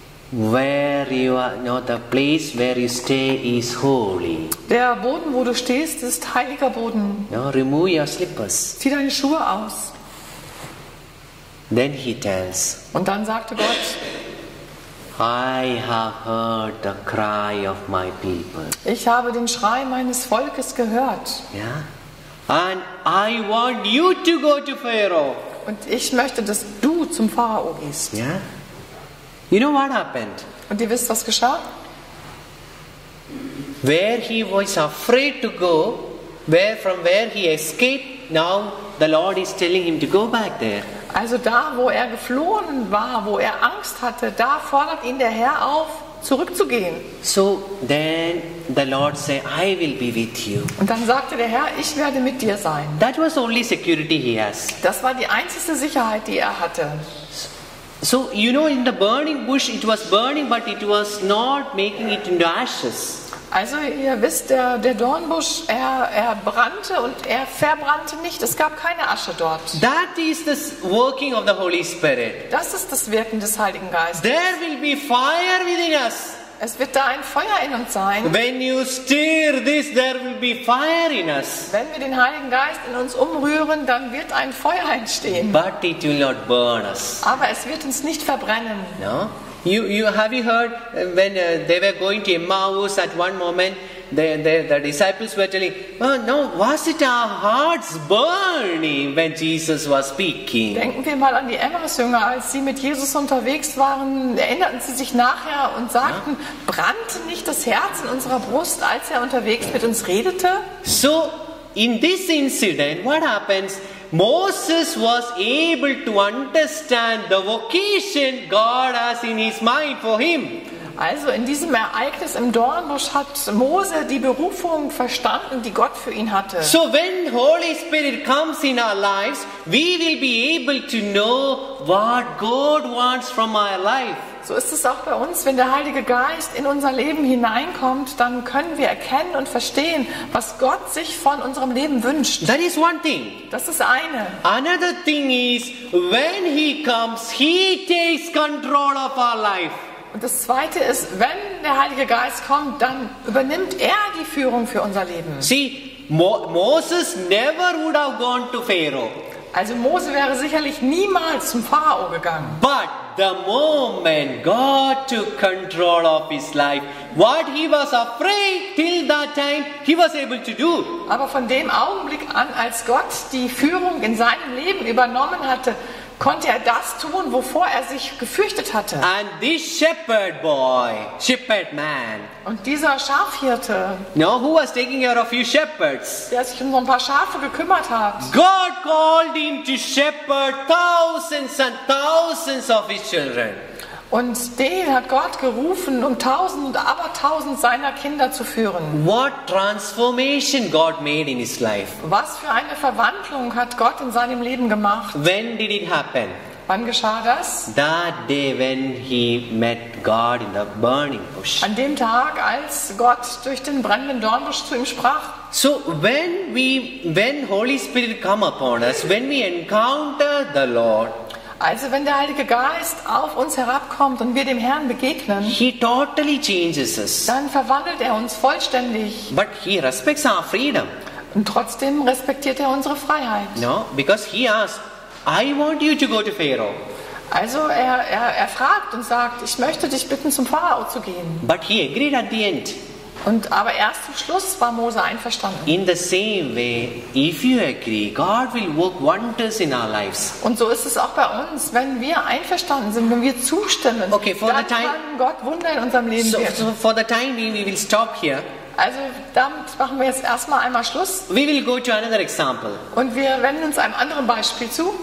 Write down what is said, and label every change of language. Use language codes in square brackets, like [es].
[en] Where you are, no, the place where you stay is holy. [de] Der Boden, wo du stehst, ist heiliger Boden. [en] No, remove your slippers. [de] Zieh deine Schuhe aus. [en] Then he tells. [de] Und dann sagte Gott. [en] I have heard the cry of my people. [de] Ich habe den Schrei meines Volkes gehört. [en] Yeah. And I want you to go to Pharaoh. [de] Und ich möchte, dass du zum Pharao gehst. [en] Yeah. You know what happened? [de] Und ihr wisst, was geschah? [en] Where he was afraid to go, from where he escaped, now the Lord is telling him to go back there. [de] Also da, wo er geflohen war, wo er Angst hatte, da fordert ihn der Herr auf, zurückzugehen. [en] So then the Lord said, I will be with you. [de] Und dann sagte der Herr, ich werde mit dir sein. [en] That was the only security he has. [de] Das war die einzige Sicherheit, die er hatte. [en] So, you know, in the burning bush, it was burning, but it was not making it into ashes. [de] Also, ihr wisst, der Dornbusch, er brannte und er verbrannte nicht. Es gab keine Asche dort. [en] That is the working of the Holy Spirit. [de] Das ist das Wirken des Heiligen Geistes. [en] There will be fire within us. [de] Es wird da ein Feuer in uns sein. [en] When you stir this, there will be fire in us. [de] Wenn wir den Heiligen Geist in uns umrühren, dann wird ein Feuer entstehen. [en] But it will not burn us. [de] Aber es wird uns nicht verbrennen. [en] No? Have you heard when they were going to Emmaus at one moment, the disciples were telling, oh no, was it our hearts burning when Jesus was speaking? [de] Denken wir mal an die Emmaus-Jünger, als sie mit Jesus unterwegs waren, erinnerten sie sich nachher und sagten, brannte nicht das Herz in unserer Brust, als er unterwegs mit uns redete? [en] So, in this incident, what happens? Moses was able to understand the vocation God has in his mind for him. [de] Also in diesem Ereignis im Dornbusch hat Mose die Berufung verstanden, die Gott für ihn hatte. [en] So when Holy Spirit comes in our lives, we will be able to know what God wants from our life. [de] So ist es auch bei uns, wenn der Heilige Geist in unser Leben hineinkommt, dann können wir erkennen und verstehen, was Gott sich von unserem Leben wünscht. [en] That is one thing. [de] Das ist eine. [en] Another thing is, when he comes, he takes control of our life. [de] Und das zweite ist, wenn der Heilige Geist kommt, dann übernimmt er die Führung für unser Leben. [en] See, Moses never would have gone to Pharaoh. [de] Also Mose wäre sicherlich niemals zum Pharao gegangen. [en] But the moment God took control of his life, what he was afraid till that time, he was able to do. [de] Aber von dem Augenblick an, als Gott die Führung in seinem Leben übernommen hatte, konnte er das tun, wovor er sich gefürchtet hatte. [en] And this shepherd boy, shepherd man. [de] Und dieser Schafhirte. [en] No, who was taking care of you shepherds? [de] Der sich um so ein paar Schafe gekümmert hat. [en] God called him to shepherd thousands and thousands of his children. [de] Und den hat Gott gerufen, um tausend und abertausend seiner Kinder zu führen. [en] What transformation God made in his life? [de] Was für eine Verwandlung hat Gott in seinem Leben gemacht? [en] When did it happen? [de] Wann geschah das? [en] That day when he met God in the burning bush. [de] An dem Tag, als Gott durch den brennenden Dornbusch zu ihm sprach. [en] So when Holy Spirit come upon us, when we encounter the Lord. [de] Also wenn der Heilige Geist auf uns herabkommt und wir dem Herrn begegnen, [en] he totally changes us. [de] Dann verwandelt er uns vollständig. [en] But he respects our freedom. [de] Und trotzdem respektiert er unsere Freiheit. [en] No, because he asks, I want you to go to Pharaoh. [de] Also er fragt und sagt, ich möchte dich bitten, zum Pharao zu gehen. [en] But he agreed at the end. [de] Und aber erst zum Schluss war Mose einverstanden. [en] In the same way, if you agree, God will work wonders in our lives. [de] Und so ist es auch bei uns, wenn wir einverstanden sind, wenn wir zustimmen, [en] okay, for [de] dann [en] the time, [de] kann Gott Wunder in unserem Leben [en] so, so for the time being, we will stop here. [de] Also damit machen wir jetzt erstmal einmal Schluss. [en] We will go to another example. [de] Und wir wenden uns einem anderen Beispiel zu.